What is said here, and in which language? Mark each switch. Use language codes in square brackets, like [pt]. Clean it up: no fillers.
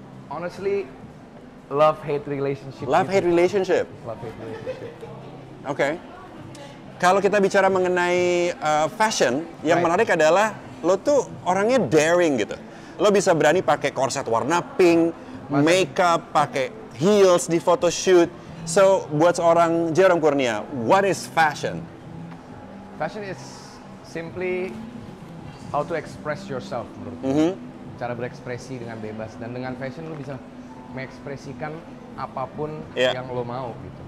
[en] Honestly, love-hate relationship. Love-hate gitu. Relationship? Love-hate relationship. Oke. Okay. [id] Kalau kita bicara mengenai fashion, yang menarik adalah lo tuh orangnya daring gitu. Lo bisa berani pakai korset warna pink, makeup, pakai heels di photo shoot. [en] So, [id] buat seorang [en] Jerome Kurnia, what is fashion? Fashion is simply how to express yourself, [id] menurut gue. Cara berekspresi dengan bebas. Dan dengan fashion lo bisa mengekspresikan apapun yang lo mau gitu.